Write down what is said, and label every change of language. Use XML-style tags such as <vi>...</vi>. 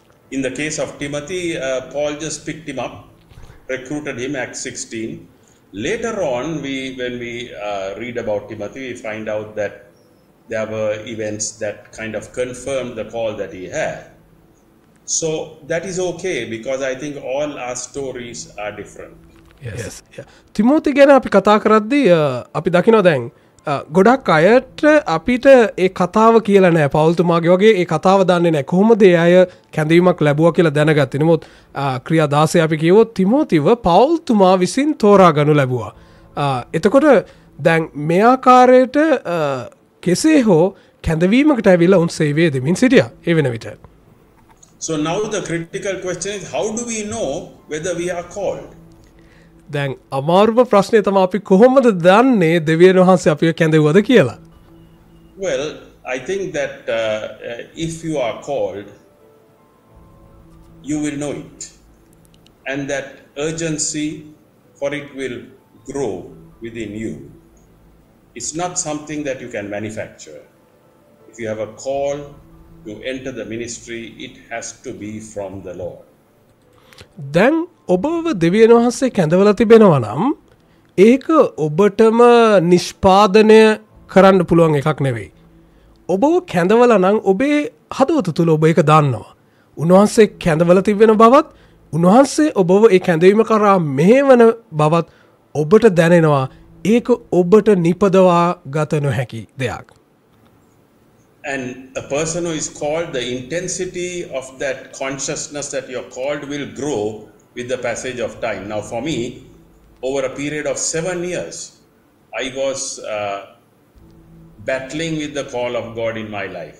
<en>In the case of Timothy Paul just picked him up recruited him Acts 16. Later on when we read about Timothy we find out that there were events that kind of confirmed the call that he had so that is okay because I think all our stories are different</en> <si>yes yeah Timothy ගැන අපි කතා කරද්දී අපි දකිනවා දැන් ගොඩක් අයට අපිට ඒ කතාව කියලා නැහැ පෞල්තුමාගේ වගේ ඒ කතාව දන්නේ නැහැ කොහොමද ඒ අය කැඳවීමක් ලැබුවා කියලා දැනගත්තේ නමුත් ක්‍රියා 16 අපි කියවොත් Timothyව පෞල්තුමා විසින් තෝරාගනු ලැබුවා එතකොට දැන් මේ ආකාරයට කෙසේ හෝ කැඳවීමකට ඇවිල්ලා උන් සේවයේ දෙමින් සිටියා ඒ වෙන විට.</si> <en>So now the critical question is how do we know whether we are called?</en> <si>දැන් අමාරුම ප්‍රශ්නේ තමයි අපි කොහොමද දන්නේ දෙවියන් වහන්සේ අපිව කැඳවුවද කියලා.</si> <en>Well, I think that if you are called, you will know it. And that urgency for it will grow within you. It's not something that you can manufacture. If you have a call to enter the ministry, it has to be from the Lord.</en> <si>දැන් ඔබව දෙවියන් වහන්සේ කැඳවලා තිබෙනවා නම් ඒක ඔබටම නිෂ්පාදනය කරන්න පුළුවන් එකක් නෙවෙයි. ඔබව කැඳවලා නම් ඔබේ හදවත තුල ඔබ ඒක දන්නවා. උන්වහන්සේ කැඳවලා තිබෙන බවත් උන්වහන්සේ ඔබව ඒ කැඳවීම කරා මෙහෙවන බවත් ඔබට දැනෙනවා. ඒක ඔබට නිපදවා ගත නොහැකි දෙයක්.</si> <en>And a person who is called, the intensity of that consciousness that you are called will grow with the passage of time. Now for me, over a period of 7 years, I was battling with the call of God in my life.</en>